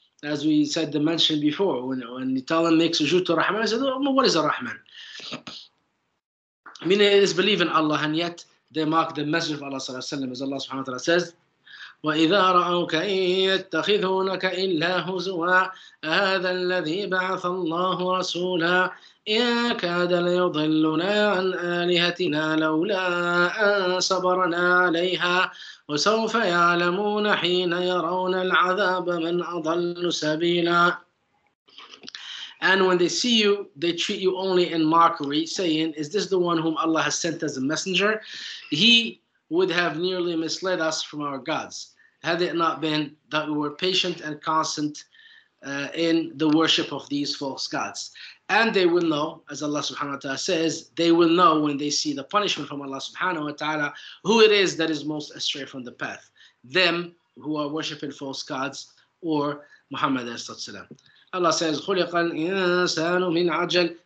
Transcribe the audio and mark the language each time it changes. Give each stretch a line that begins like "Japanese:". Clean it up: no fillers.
English: As we said, the mention before, when the Talan makes sujood to Rahman, he says, well, what is a Rahman? Meaning they disbelieve in Allah, and yet they mock the Messenger of Allah sallallahu alaihi wasallam, as Allah subhanahu wa ta'ala says,
Arabic: وَإِذَا رَأَوْكَ إِنْ يَتَّخِذُونَكَ إِلَّا هُزُوًا هَذَا الَّذِي بَعَثَ اللَّهُ رَسُولًا إِنْ كَادَ لَيُضِلُّنَا عَنْ آلِهَتِنَا لَوْلَا أَنْ صَبَرْنَا عَلَيْهَا وَسَوْفَ يَعْلَمُونَ حِينَ يَرَوْنَ الْعَذَابَ مَنْ أَضَلُّ سَبِيلًا.
English: And when they see you, they treat you only in mockery, saying, is this the one whom Allah has sent as a messenger? He would have nearly misled us from our gods, had it not been that we were patient and constant in the worship of these false gods. And they will know, as Allah subhanahu wa ta'ala says, they will know when they see the punishment from Allah subhanahu wa ta'ala, who it is that is most astray from the path, them who are worshiping false gods or Muhammad sallallahu alaihi wasallam. Allah says,
Arabic: خُلِقَ الْإِنسَانُ مِنْ عَجَلٍ.